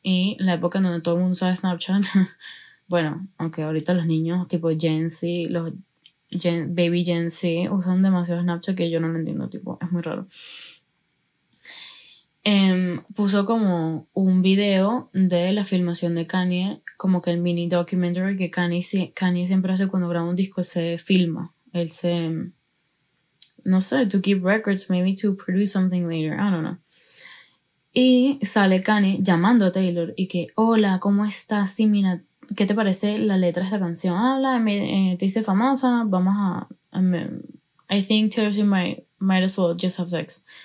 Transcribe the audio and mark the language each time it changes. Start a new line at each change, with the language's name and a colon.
Spanish: Y la época en donde todo el mundo usaba Snapchat. Bueno, aunque ahorita los niños tipo Gen Z, los baby Gen Z usan demasiado Snapchat que yo no lo entiendo, tipo, es muy raro. Puso como un video de la filmación de Kanye, como que el mini documentary que Kanye siempre hace cuando graba un disco, se filma. Él se... no sé,
English: to keep records, maybe to produce something later, I don't know.
Spanish: Y sale Kanye llamando a Taylor y que, hola, ¿cómo estás? Sí, mira, ¿qué te parece la letra de esta canción? Habla, te hice famosa, vamos a...
English: I think Taylor Swift might as well just have sex.